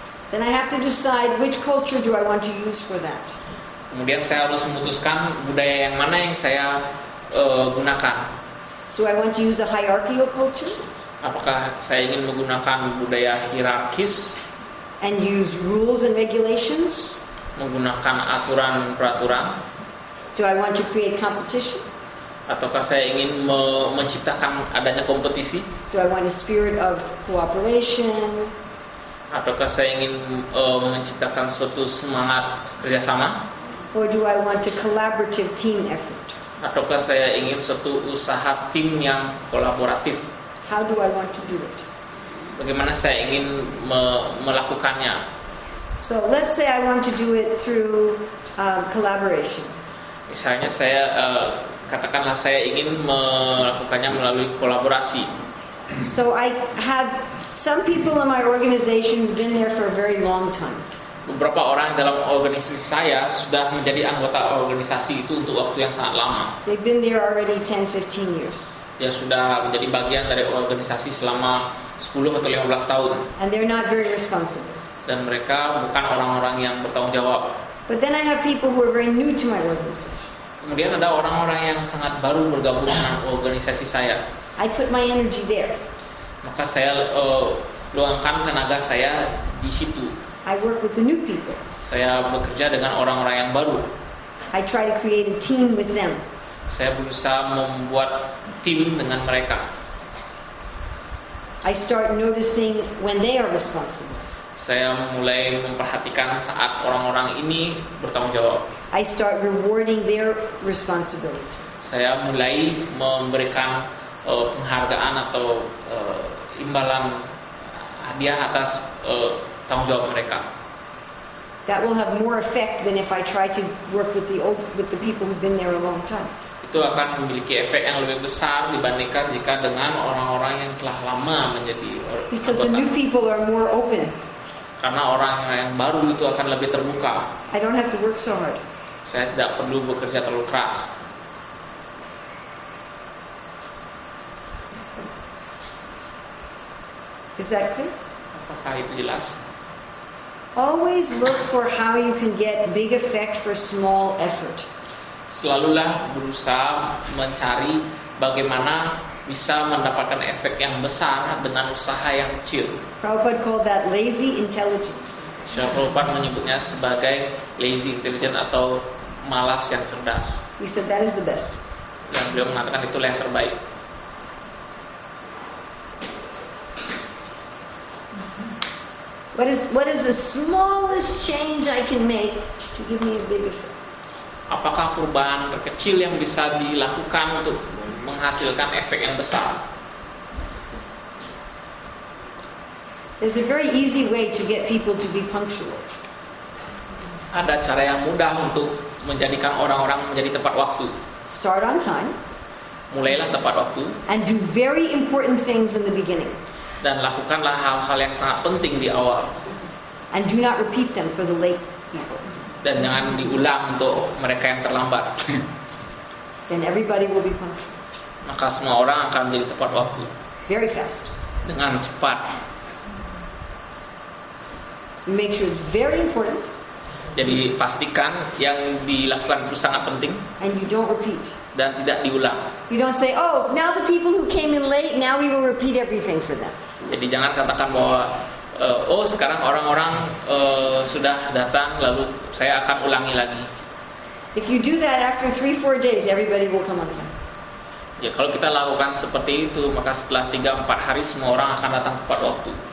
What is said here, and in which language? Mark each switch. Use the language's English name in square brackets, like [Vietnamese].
[English] Then I have to decide which culture do I want to use for that. [Indonesian] Kemudian saya harus memutuskan budaya yang mana yang saya gunakan. [English] Do I want to use a hierarchical culture? [Indonesian] Apakah saya ingin menggunakan budaya hierarkis? [English] And use rules and regulations? [Indonesian] Menggunakan aturan peraturan? [English] Do I want to create competition? [Indonesian] ataukah saya ingin menciptakan adanya kompetisi? [English] Do I want a spirit of cooperation? [Indonesian] Ataukah saya ingin menciptakan suatu semangat kerjasama? [English] Or do I want a collaborative team effort? [Indonesian] Ataukah saya ingin suatu usaha tim yang kolaboratif? [English] How do I want to do it? [Indonesian] Bagaimana saya ingin melakukannya? [English] So let's say I want to do it through collaboration. [Indonesian] Misalnya saya katakanlah saya ingin melakukannya melalui kolaborasi. [English] So I have some people in my organization who've been there for a very long time. [Indonesian] Beberapa orang dalam organisasi saya sudah menjadi anggota organisasi itu untuk waktu yang sangat lama. [English] They've been there already 10-15 years. [Indonesian] Ya, sudah menjadi bagian dari organisasi selama 10 atau 15 tahun. [English] And they're not very responsible. [Indonesian] Dan mereka bukan orang-orang yang bertanggung jawab. [English] But then I have people who are very new to my organization. [Indonesian] Kemudian ada orang-orang yang sangat baru bergabung dengan organisasi saya. [English] I put my energy there. [Indonesian] Maka saya luangkan tenaga saya di situ. [English] I work with the new people. [Indonesian] Saya bekerja dengan orang-orang yang baru. [English] I try to create a team with them. [Indonesian] Saya berusaha membuat tim dengan mereka. [English] I start noticing when they are responsible. [Indonesian] Saya mulai memperhatikan saat orang-orang ini bertanggung jawab. [English] I start rewarding their responsibility. [Indonesian] Saya mulai memberikan penghargaan atau imbalan hadiah atas tanggung jawab mereka. [English] That will have more effect than if I try to work with the people who've been there a long time. [Indonesian] Itu akan memiliki efek yang lebih besar dibandingkan jika dengan orang-orang yang telah lama menjadi anggota. [English] Because the new people are more open. [Indonesian] Karena orang yang baru itu akan lebih terbuka. [English] I don't have to work so hard. [Indonesian] Saya tidak perlu bekerja terlalu keras. [English] Is that clear? [Indonesian] Apakah itu jelas? [English] Always look for how you can get big effect for small effort. [Indonesian] Selalulah berusaha mencari bagaimana bisa mendapatkan efek yang besar dengan usaha yang kecil. [English] Prabhupada called that lazy intelligent. [Indonesian] Prabhupada menyebutnya sebagai [English] lazy intelligent [Indonesian] atau malas yang cerdas. [English] He said that is the best. [Indonesian] Dan beliau mengatakan itulah yang terbaik. [English] What is the smallest change I can make to give me a big effect? [Indonesian] Apakah perubahan terkecil yang bisa dilakukan untuk menghasilkan efek yang besar? [English] There's a very easy way to get people to be punctual. [Indonesian] Ada cara yang mudah untuk menjadikan orang-orang menjadi tepat waktu. [English] Start on time. [Indonesian] Mulailah tepat waktu. [English] And do very important things in the beginning. [Indonesian] Dan lakukanlah hal-hal yang sangat penting di awal. [English] And do not repeat them for the late people. [Indonesian] Dan jangan diulang untuk mereka yang terlambat. [English] Then everybody will be punctual. [Indonesian] Maka semua orang akan menjadi tepat waktu. [English] Very fast. [Indonesian] Dengan cepat. [English] Make sure very important. [Indonesian] Jadi pastikan yang dilakukan itu sangat penting. [English] And you don't repeat. [Indonesian] Dan tidak diulang. [English] You don't say, oh, now the people who came in late, now we will repeat everything for them. [Indonesian] Jadi jangan katakan bahwa sekarang orang-orang sudah datang, lalu saya akan ulangi lagi. [English] If you do that after 3-4 days, everybody will come on time. [Indonesian] Ya, kalau kita lakukan seperti itu, maka setelah 3-4 hari semua orang akan datang tepat waktu.